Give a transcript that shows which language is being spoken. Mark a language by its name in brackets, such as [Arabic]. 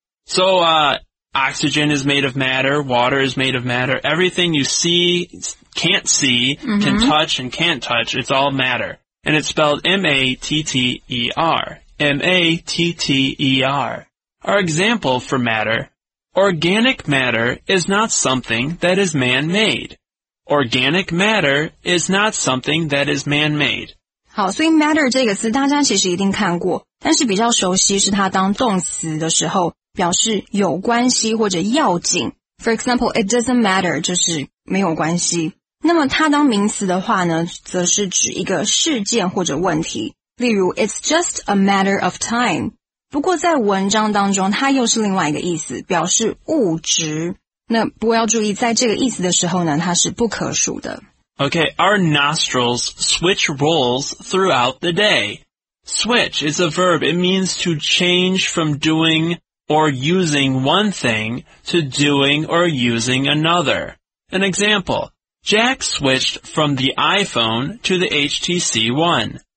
[English] So, Oxygen is made of matter, water is made of matter, everything you see, can't see, can touch and can't touch, it's all matter. And it's spelled M-A-T-T-E-R, M-A-T-T-E-R. Our example for matter, organic matter is not something that is man-made. Organic matter is not something that is man-made. [Chinese] 好，所以 matter 这个词大家其实一定看过，但是比较熟悉是它当动词的时候，表示有关系或者要紧。 [English] For example, it doesn't matter, [Chinese] 就是没有关系。那么它当名词的话呢，则是指一个事件或者问题。例如 [English] ,it's just a matter of time. [Chinese] 不过在文章当中它又是另外一个意思，表示物质。那不过要注意在这个意思的时候呢，它是不可数的。 [English] Okay, our nostrils switch roles throughout the day. Switch is a verb. It means to change from doing or using one thing to doing or using another. An example, Jack switched from the iPhone to the HTC One.